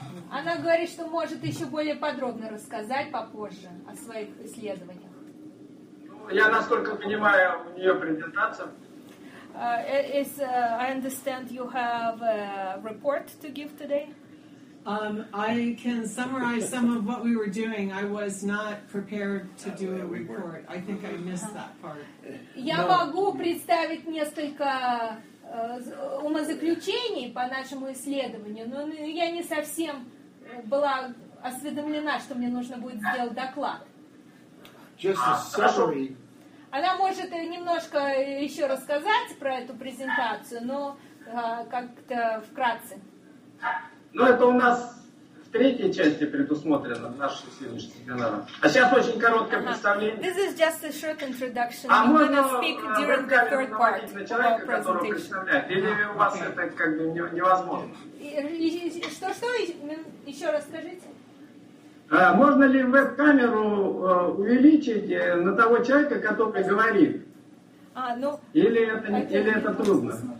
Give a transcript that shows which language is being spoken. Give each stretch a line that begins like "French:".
Russian: Она говорит, что может еще более подробно рассказать попозже о своих исследованиях. Я, насколько понимаю, у нее презентация.
English: I understand you have a report to give today. I can summarize some of what we were doing. I was not prepared to do a report. I think I missed that part.
Russian: Я могу представить несколько умозаключений по нашему исследованию, но я не совсем была осведомлена, что мне нужно будет сделать доклад.
English: Just a summary.
Russian: Она может немножко еще рассказать про эту презентацию, но как-то вкратце. Ну, это у нас в третьей части предусмотрено, в нашей следующей семинаре. А сейчас очень короткое представление.
English: This is just a short introduction. I'm going to speak during the third part of presentation.
Russian: Или у вас это как бы невозможно? Что-что? Еще раз скажите. Можно ли веб-камеру увеличить на того человека, который говорит? Ну, или это, не, или это трудно?